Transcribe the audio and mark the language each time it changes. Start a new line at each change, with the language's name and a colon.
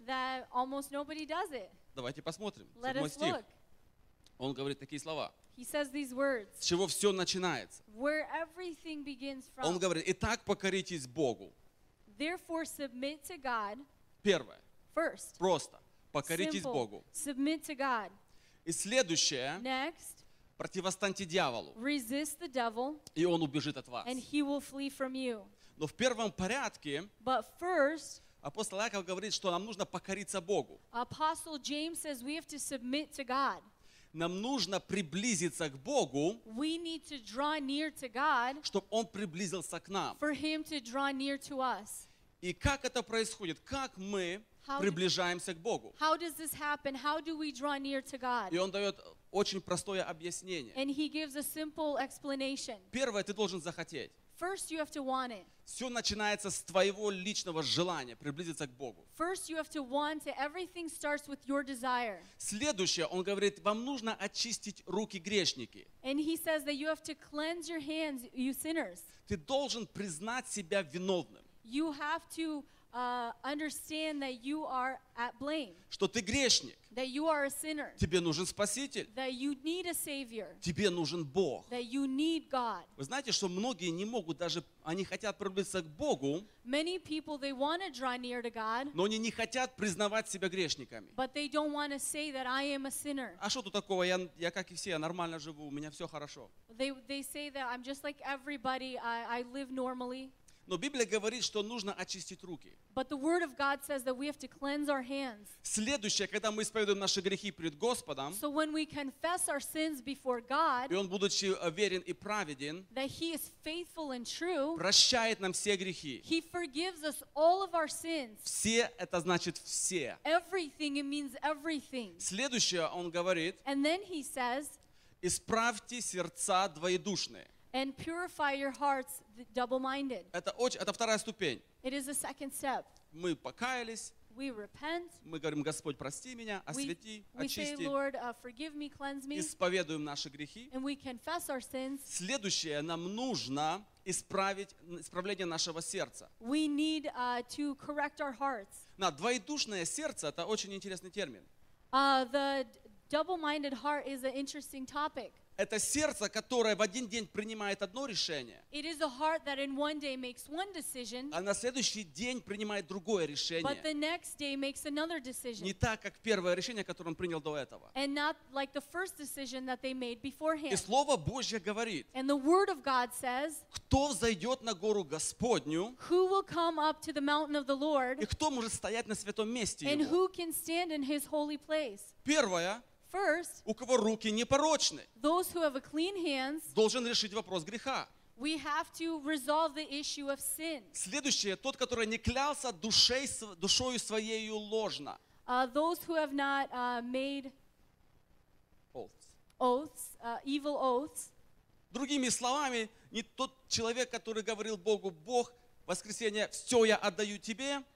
English: That almost nobody does it.
Russian: Давайте посмотрим.
English: Let us look.
Russian: Он говорит такие слова.
English: He says these words.
Russian: С чего все начинается?
English: Where everything begins from.
Russian: Он говорит: «Итак, покоритесь Богу».
English: Therefore, submit to God.
Russian: Первое.
English: First.
Russian: Просто. Покоритесь
English: simple.
Russian: Богу.
English: Submit to God.
Russian: И следующее.
English: Next.
Russian: Противостаньте дьяволу.
English: Resist the devil,
Russian: и он убежит от вас.
English: And he will flee from you.
Russian: Но в первом порядке
English: But first,
Russian: апостол Иаков говорит, что нам нужно покориться Богу.
English: Apostle James says we have to submit to God.
Russian: Нам нужно приблизиться к Богу,
English: we need to draw near to God,
Russian: чтобы он приблизился к нам.
English: For him to draw near to us.
Russian: И как это происходит? Как мы приближаемся к Богу?
English: How does this happen? How do we draw near to God?
Russian: И он дает очень простое объяснение.
English: And he gives a simple explanation.
Russian: Первое, ты должен захотеть.
English: First, you have to want it.
Russian: Все начинается с твоего личного желания приблизиться к Богу.
English: First, you have to want it. Everything starts with your desire.
Russian: Следующее, он говорит, вам нужно очистить руки грешники.
English: And he says that you have to cleanse your hands, you sinners.
Russian: Ты должен признать себя виновным.
English: You have to understand that you are at blame.
Russian: Что ты грешник.
English: That you are a sinner.
Russian: Тебе нужен спаситель.
English: That you need a savior.
Russian: Тебе нужен Бог.
English: That you need God.
Russian: Вы знаете, что многие не могут даже, они хотят приблизиться к Богу.
English: Many people they want to draw near to God.
Russian: Но они не хотят признавать себя грешниками.
English: But they don't want to say that I am a sinner.
Russian: А что тут такого? Я как и все, я нормально живу, у меня все хорошо.
English: They say that I'm just like everybody. I live normally.
Russian: Но Библия говорит, что нужно очистить руки.
English: But the word of God says that we have to cleanse our hands.
Russian: Следующее, когда мы исповедуем наши грехи пред Господом,
English: so when we confess our sins before God,
Russian: и Он, будучи верен и праведен,
English: that He is faithful and true,
Russian: прощает нам все грехи.
English: He forgives us all of our sins.
Russian: Все, это значит все.
English: Everything, it means everything.
Russian: Следующее, Он говорит,
English: and then He says,
Russian: исправьте сердца двоедушные.
English: And purify your hearts double-minded.
Russian: Это вторая ступень.
English: It is the second step.
Russian: Мы покаялись.
English: We repent.
Russian: Мы говорим, Господь, прости меня, освети, очисти.
English: We say, Lord, forgive me, cleanse me.
Russian: Исповедуем наши грехи.
English: And we confess our sins.
Russian: Следующее, нам нужно исправление нашего сердца.
English: We need to correct our hearts.
Russian: На двоедушное сердце, это очень интересный термин.
English: The double-minded heart is an interesting topic.
Russian: Это сердце, которое в один день принимает одно решение,
English: it is a heart that in one day makes one decision,
Russian: а на следующий день принимает другое решение.
English: But the next day makes another decision.
Russian: Не так, как первое решение, которое он принял до этого.
English: And not like the first decision that they made beforehand.
Russian: И Слово Божье говорит,
English: and the word of God says,
Russian: кто взойдет на гору Господню,
English: who will come up to the mountain of the Lord,
Russian: и кто может стоять на святом месте
English: and
Russian: Его.
English: Who can stand in His holy place.
Russian: Первое,
English: first,
Russian: у кого руки непорочны,
English: those who have a clean hands,
Russian: должен решить вопрос греха.
English: We have to resolve the issue of sin.
Russian: Следующее, тот, который не клялся душою своею ложно.
English: Those who have not made oaths, evil oaths.
Russian: Другими словами, не тот человек, который говорил Богу, Бог, воскресенье, все я отдаю тебе.